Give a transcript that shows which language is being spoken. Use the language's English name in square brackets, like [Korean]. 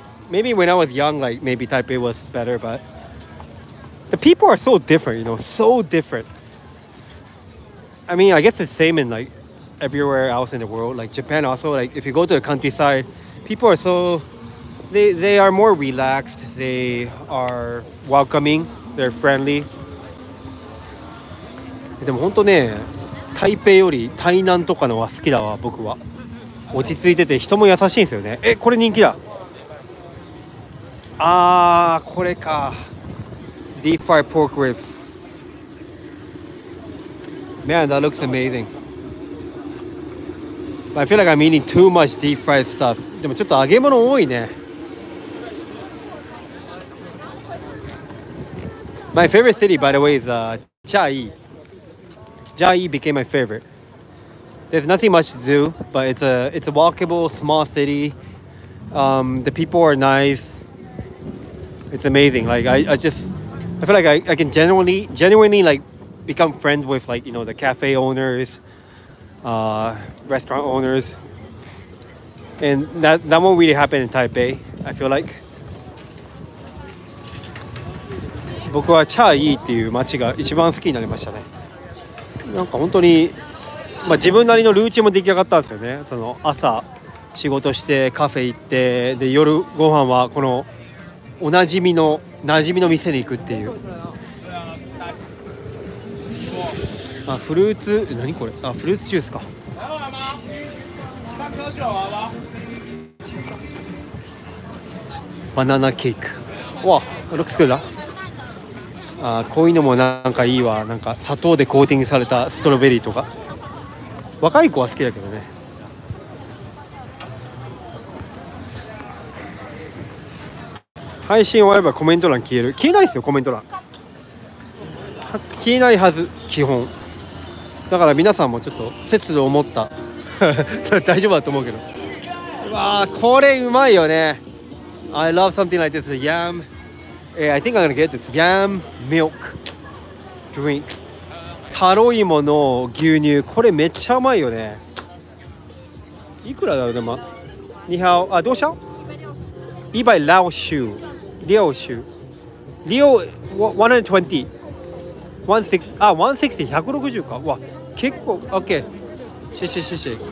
[English] Maybe when I was young, like maybe Taipei was better, but the people are so different, you know, so different. I mean, I guess it's the same in like everywhere else in the world, like Japan also, like if you go to the countryside, people are so, they are more relaxed, they are welcoming, they're friendly. [Japanese] でも本当ね、台北より台南とかのは好きだわ、僕は。落ち着いてて人も優しいんですよね。え、これ人気だ。あー、これか。 [English] Deep fried pork ribs. Man, that looks amazing. I feel like I'm eating too much deep fried stuff. [Japanese] でもちょっと揚げ物多いね。 [English] My favorite city, by the way, is Chai. Chai became my favorite. There's nothing much to do, but it's a walkable small city. The people are nice. It's amazing. Like I feel like I can genuinely like become friends with like, you know, the cafe owners, restaurant owners. And that won't really happen in Taipei, I feel like. [Japanese] 僕はチャイっていう街が一番好きになりましたね。なんか本当にまあ、自分なりのルーチンも出来上がったんですよね。その朝仕事してカフェ行って、で夜ご飯はこのおなじみの店に行くっていう。あ、フルーツ、何これ、あ、フルーツジュースか。バナナケーキ、わっ、ロックスクールだ。あ、こういうのもなんかいいわ。なんか砂糖でコーティングされたストロベリーとか、若い子は好きだけどね。配信終わればコメント欄消える、消えないですよ、コメント欄消えないはず、基本だから皆さんもちょっと節度を持った大丈夫だと思うけど、これうまいよね。 [English] I love something like this. Yam. I think I'm gonna get this yam milk drink. [Japanese] タロイモの牛乳。これめっちゃうまいよね。いくらだろうでも。 [Chinese] 你好啊，多少？一百六十。六十。六 120。160。 [Japanese] あ、160、160か。わ、結構、OK。シェシェシェシェ。